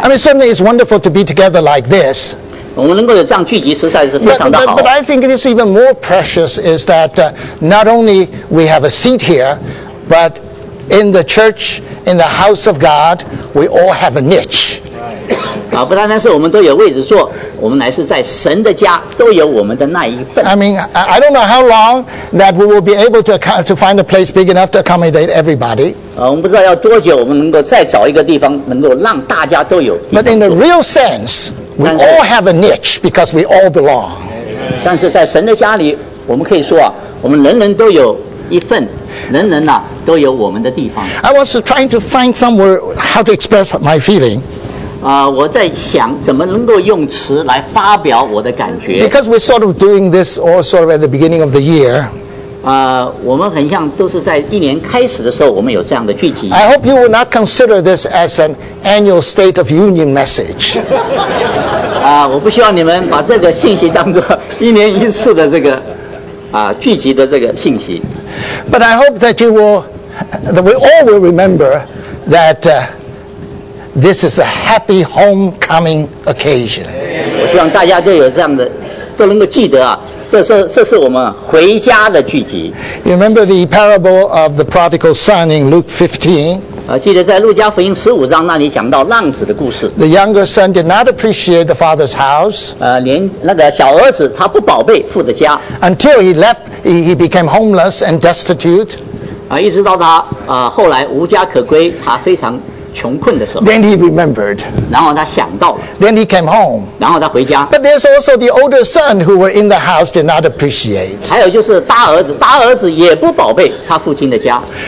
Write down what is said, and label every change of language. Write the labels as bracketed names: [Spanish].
[English] I mean, certainly it's wonderful to be together like this. [Chinese] 我们能够有这样聚集，实在是非常的好。 [English] But I think it is even more precious is that not only we have a seat here, but in the church, in the house of God, we all have a niche. [Chinese] 不单单是我们都有位置坐，我们乃是在神的家都有我们的那一份。 [English] I mean, I don't know how long that we will be able to find a place big enough to accommodate everybody. [Chinese] 我们不知道要多久，我们能够再找一个地方，能够让大家都有地方坐。 [English] But in the real sense, We all have a niche because we all belong. [Chinese] 但是在神的家里，我们可以说啊，我们人人都有一份，人人啊都有我们的地方。 [English] I was trying to find somewhere how to express my feeling. [Chinese] 我在想怎么能够用词来发表我的感觉。 [English] Because we're sort of doing this all sort of at the beginning of the year. [Chinese] 我们很像都是在一年开始的时候，我们有这样的聚集。 [English] I hope you will not consider this as an annual State of Union message. [Chinese] 我不希望你们把这个信息当作一年一次的这个聚集的这个信息。 [English] But I hope that you will, that we all will remember that this is a happy homecoming occasion. [Chinese] 我希望大家都有这样的，都能够记得啊，这是我们回家的聚集。 [English] You remember the parable of the prodigal son in Luke 15? [Chinese] 记得在路加福音十五章那里讲到浪子的故事。 [English] The younger son did not appreciate the father's house. [Chinese] 连那个小儿子他不宝贝父的家。 [English] Until he left, he became homeless and destitute. [Chinese] 一直到他后来无家可归，他非常穷困的时候。 [English] Then he remembered. [Chinese] 然后他想到了。 [English] Then he came home. [Chinese] 然后他回家。 [English] But there's also the older son who were in the house did not appreciate. [Chinese] 还有就是大儿子，大儿子也不宝贝他父亲的家。